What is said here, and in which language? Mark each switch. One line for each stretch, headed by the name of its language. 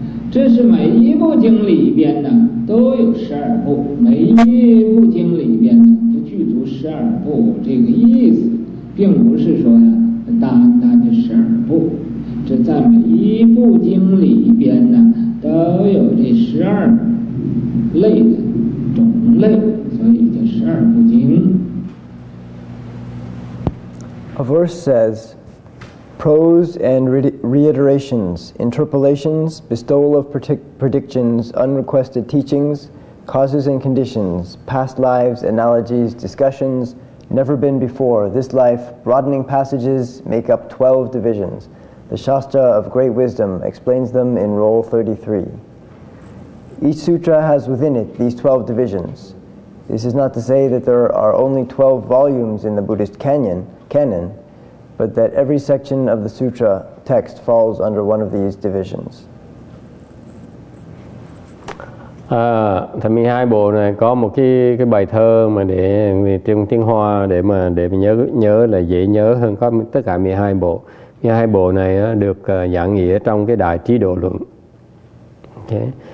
Chinese: 这是每一部经里边呢都有十二部，每一部经里边呢都具足十二部这个意思，并不是说呀单的十二部。这在每一部经里边呢都有这十二类的种类，所以叫十二部经。
English: A verse says, prose and reiterations, interpolations, bestowal of predictions, unrequested teachings, causes and conditions, past lives, analogies, discussions, never been before, this life, broadening passages make up 12 divisions. The Shastra of Great Wisdom explains them in Roll 33. Each sutra has within it these 12 divisions. This is not to say that there are only 12 volumes in the Buddhist canon, but that every section of the sutra text falls under one of these divisions.
Vietnamese: 32 bộ này có một cái bài thơ mà để trong tiếng Hoa để mình nhớ là dễ nhớ hơn có tất cả 12 bộ. Hai bộ này được giảng nghĩa trong cái đại trí độ luận. Okay.